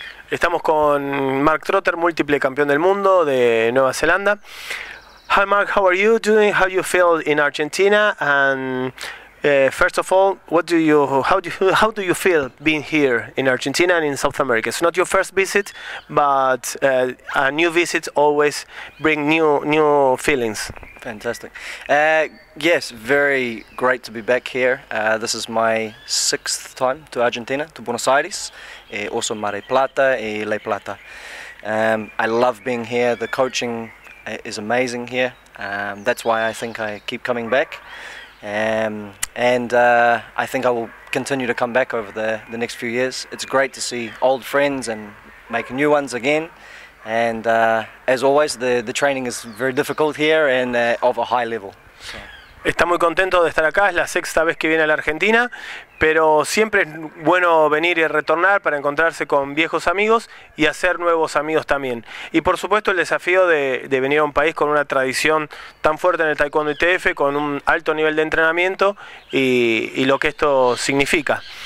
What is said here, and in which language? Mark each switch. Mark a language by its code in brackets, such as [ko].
[es] Estamos con Mark Trotter, múltiple campeón del mundo de Nueva Zelanda. [en] Hi Mark, how are you doing? How you feel in Argentina? And first of all, how do you feel being here in Argentina and in South America? It's not your first visit, but a new visit always bring new feelings. Fantastic. Yes, very great to be back here. This is my sixth time to Argentina, to Buenos Aires. Also Mar del Plata y La Plata. I love being here. The coaching is amazing here. That's why I think I keep coming back. I think I will continue to come back over the next few years. It's great to see old friends and make new ones again. And as always, the training is very difficult here and of a high level. So. [es] Está muy contento de estar acá, es la sexta vez que viene a la Argentina, pero siempre es bueno venir y retornar para encontrarse con viejos amigos y hacer nuevos amigos también. Y por supuesto el desafío de venir a un país con una tradición tan fuerte en el Taekwondo ITF, con un alto nivel de entrenamiento y lo que esto significa.